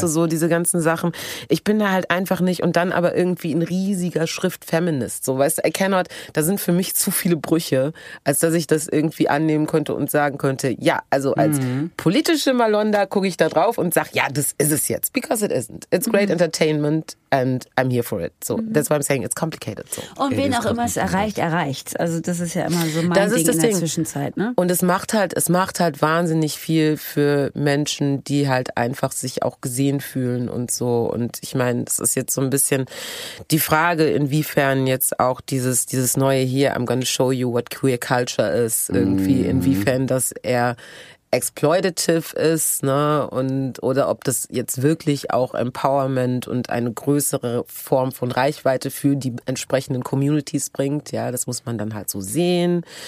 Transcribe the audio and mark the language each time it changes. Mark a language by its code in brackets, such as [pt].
[de] du, so diese ganzen Sachen. Ich bin da halt einfach nicht und dann aber irgendwie in riesiger Schrift Feminist. So, weißt du, [en] I cannot, [de] da sind für mich zu viele Brüche, als dass ich das irgendwie annehmen könnte und sagen könnte, ja, also als politische Malonda gucke ich da drauf und sage, ja, das ist es jetzt. [en] Because it isn't. It's great entertainment and I'm here for it. So, that's why I'm saying it's complicated. So. [de] Und wen auch immer es erreicht, erreicht. Also das ist ja immer so mein das Ding ist das in der Ding. Zwischenzeit. Ne? Und es macht halt wahnsinnig viel für Menschen, die halt einfach sich auch gesehen fühlen und so. Und ich meine, das ist jetzt so ein bisschen die Frage, inwiefern jetzt auch dieses neue hier, [en] I'm gonna show you what queer culture is, [de] irgendwie, inwiefern das eher exploitative ist, ne, und oder ob das jetzt wirklich auch Empowerment und eine größere Form von Reichweite für die entsprechenden Communities bringt, ja, das muss man dann halt so sehen.